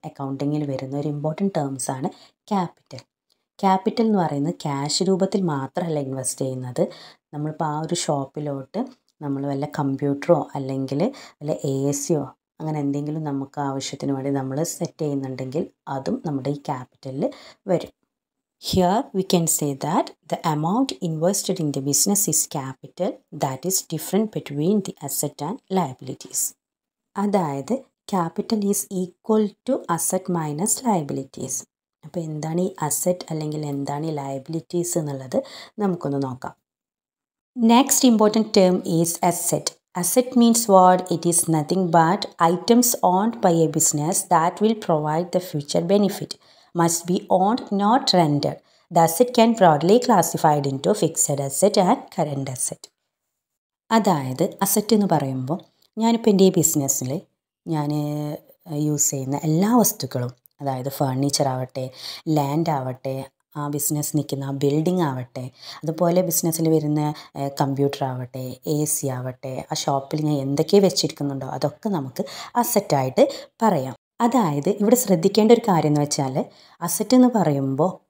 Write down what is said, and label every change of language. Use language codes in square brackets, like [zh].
[ml] അക്കൗണ്ടിങ്ങിൽ വരുന്ന ഒരു important ടേംസാണ് capital. Capital എന്ന് പറയുന്നത് ക്യാഷ് രൂപത്തിൽ മാത്രമല്ല ഇൻവെസ്റ്റ് ചെയ്യുന്നത്. നമ്മളിപ്പോൾ ആ ഒരു ഷോപ്പിലോട്ട് നമ്മൾ വല്ല കമ്പ്യൂട്ടറോ അല്ലെങ്കിൽ വല്ല ASIയോ അങ്ങനെ എന്തെങ്കിലും നമുക്ക് ആവശ്യത്തിന് വേണ്ടി നമ്മൾ സെറ്റ് ചെയ്യുന്നുണ്ടെങ്കിൽ അതും നമ്മുടെ ഈ ക്യാപിറ്റലിൽ വരും. [en] Here we can say that the amount invested in the business is capital, that is different between the asset and liabilities. അതായത് capital is equal to asset minus liabilities. [ml] അപ്പോൾ എന്താണ് ഈ അസെറ്റ് അല്ലെങ്കിൽ എന്താണ് ഈ ലയബിലിറ്റീസ് എന്നുള്ളത് നമുക്കൊന്ന് നോക്കാം. [en] Next important term is asset. Asset means what? It is nothing but items owned by a business that will provide the future benefit. Must be owned, not rented. The asset can broadly classified into fixed asset and current asset. [ml] അതായത് asset എന്ന് പറയുമ്പോൾ ഞാനിപ്പോൾ എൻ്റെ ഈ ബിസിനസ്സിൽ ഞാൻ use ചെയ്യുന്ന എല്ലാ വസ്തുക്കളും, അതായത് ഫേർണിച്ചർ ആവട്ടെ, ലാൻഡ് ആവട്ടെ, ആ ബിസിനസ് നിൽക്കുന്ന ആ ബിൽഡിംഗ് ആവട്ടെ, അതുപോലെ ബിസിനസ്സിൽ വരുന്ന കമ്പ്യൂട്ടർ ആവട്ടെ, AC ആവട്ടെ, ആ ഷോപ്പിൽ ഞാൻ എന്തൊക്കെ വെച്ചിരിക്കുന്നുണ്ടോ അതൊക്കെ നമുക്ക് അസെറ്റായിട്ട് പറയാം. അതായത് ഇവിടെ ശ്രദ്ധിക്കേണ്ട ഒരു കാര്യം എന്ന് വെച്ചാൽ അസറ്റ് എന്ന് പറയുമ്പോൾ